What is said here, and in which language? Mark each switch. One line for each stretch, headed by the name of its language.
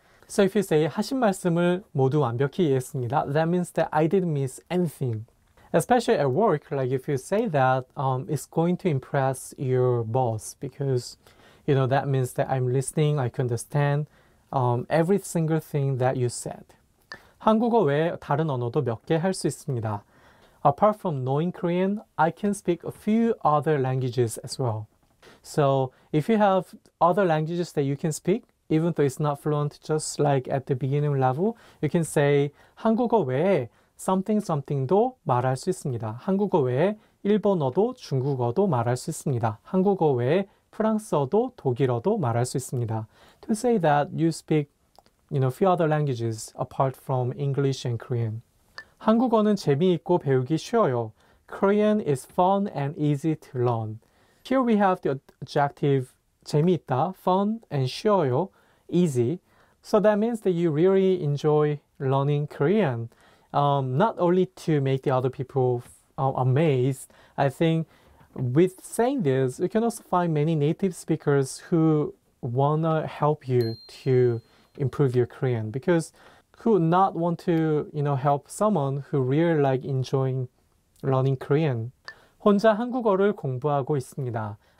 English: So if you say
Korean: 하신 말씀을 모두 완벽히 이해했습니다,
English: that means that I didn't miss anything. Especially at work, like if you say that, it's going to impress your boss because, you know, that means that I'm listening, I can understand every single thing that you said.
Korean: 한국어 외에 다른 언어도 몇 개 할 수 있습니다.
English: Apart from knowing Korean, I can speak a few other languages as well. So if you have other languages that you can speak, even though it's not fluent, just like at the beginning level, you can say
Korean: 한국어 외에 something something도 말할 수 있습니다. 한국어 외에 일본어도 중국어도 말할 수 있습니다. 한국어 외에 프랑스어도 독일어도 말할 수 있습니다.
English: To say that you speak, you know, few other languages apart from English and Korean.
Korean: 한국어는 재미있고 배우기 쉬워요.
English: Korean is fun and easy to learn. Here we have the adjective 재미있다, fun and 쉬워요, easy. So that means that you really enjoy learning Korean. Not only to make the other people amazed, I think with saying this, you can also find many native speakers who want to help you to improve your Korean, because who would not want to, you know, help someone who really like enjoying learning Korean?
Korean: 혼자 한국어를 공부하고 있습니다.